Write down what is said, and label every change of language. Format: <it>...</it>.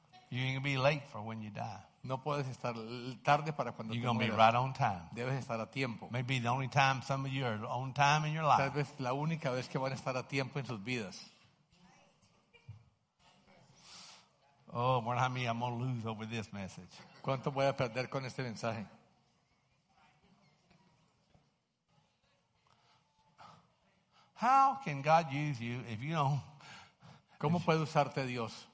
<en>You ain't gonna be late for when you die.</en> <es>No puedes estar tarde para cuando</es> <en>you're gonna</en> <es>mueras.</es> <en>Be right on time.</en> <es>Debes estar a tiempo.</es> <en>Maybe the only time some of you are on time in your life.</en> <es>Tal vez la única vez que van a estar a tiempo en sus vidas.</es> <en>Oh, more than me, I'm gonna lose over this message.</en> <es>¿Cuánto voy a perder con este mensaje?</es> <en>How can God use you if you don't?</en> <es>¿Cómo puede usarte Dios?</es>